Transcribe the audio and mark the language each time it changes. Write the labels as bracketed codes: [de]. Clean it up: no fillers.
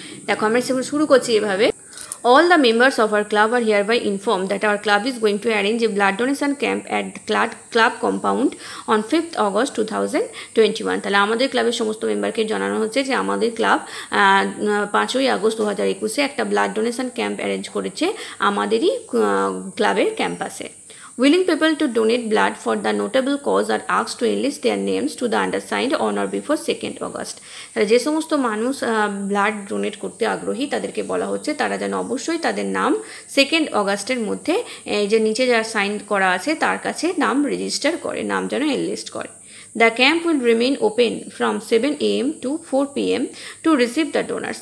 [bn] দেখো আমরা সেগুলো শুরু করছি এভাবে, [en] All the members of our club are here by inform that our club is going to arrange a blood donation camp at club compound on 5th August 2021। [bn] তাহলে আমাদের ক্লাবের সমস্ত মেম্বারকে জানানো হচ্ছে যে আমাদের ক্লাব 5th August 2021 একটা ব্লাড ডোনেশন ক্যাম্প অ্যারেঞ্জ করেছে আমাদেরই ক্লাবের ক্যাম্পাসে। [en] Willing people to donate blood for the notable cause are asked to enlist their names to the undersigned on or before 2nd August. [bn] তাহলে যে সমস্ত মানুষ ব্লাড ডোনেট করতে আগ্রহী তাদেরকে বলা হচ্ছে তারা যেন অবশ্যই তাদের নাম 2nd August মধ্যে এই যে নিচে যা সাইন করা আছে তার কাছে নাম রেজিস্টার করে, নাম যেন এনলিস্ট করে। [en] The camp will remain open from 7 AM to 4 PM to receive the donors.